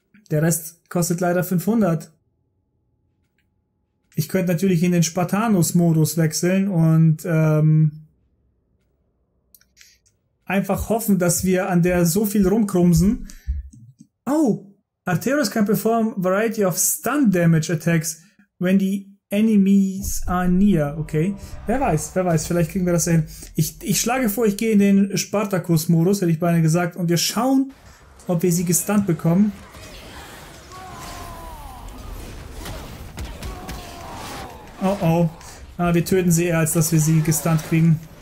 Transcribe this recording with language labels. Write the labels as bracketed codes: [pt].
[de] Der Rest kostet leider 500. Ich könnte natürlich in den Spartanus-Modus wechseln und einfach hoffen, dass wir an der so viel rumkrumsen. Oh! [en] Arteros can perform variety of stun damage attacks when the enemies are near. [de] Okay, wer weiß, vielleicht kriegen wir das hin. Ich schlage vor, ich gehe in den Spartakus-Modus, hätte ich beinahe gesagt, und wir schauen, ob wir sie gestunt bekommen. Oh oh, wir töten sie eher, als dass wir sie gestunt kriegen.